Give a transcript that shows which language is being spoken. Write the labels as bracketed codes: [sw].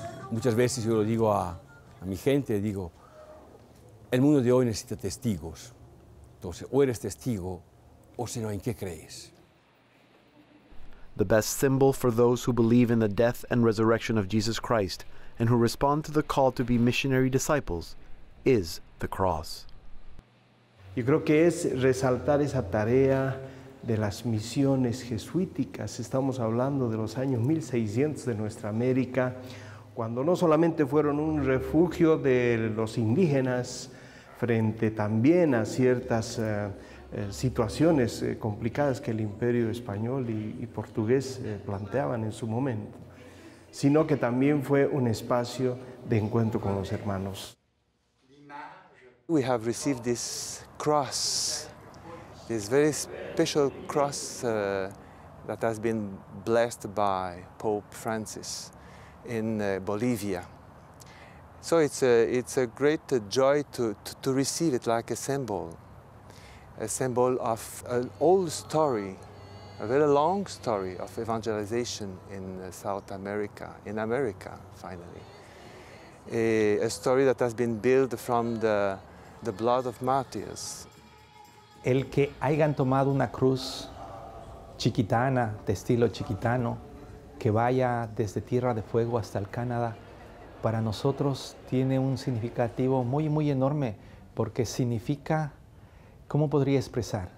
[es] Muchas veces yo lo digo a mi gente, digo, el mundo de hoy necesita testigos. Entonces, o eres testigo, o si no, ¿en qué crees? [en] The best symbol for those who believe in the death and resurrection of Jesus Christ and who respond to the call to be missionary disciples is the cross. [es] Yo creo que es resaltar esa tarea de las misiones jesuíticas. Estamos hablando de los años 1600 de nuestra América, cuando no solamente fueron un refugio de los indígenas frente también a ciertas situaciones complicadas que el imperio español y portugués planteaban en su momento, sino que también fue un espacio de encuentro con los hermanos. [en] We have received this cross, this very special cross that has been blessed by Pope Francis in Bolivia. So it's a great joy to receive it like a symbol of an old story, a very long story of evangelization in South America, in America, finally. A story that has been built from the blood of martyrs. [es] El que hayan tomado una cruz chiquitana, de estilo chiquitano, que vaya desde Tierra de Fuego hasta el Canadá, para nosotros tiene un significativo muy, muy enorme, porque significa, ¿cómo podría expresar?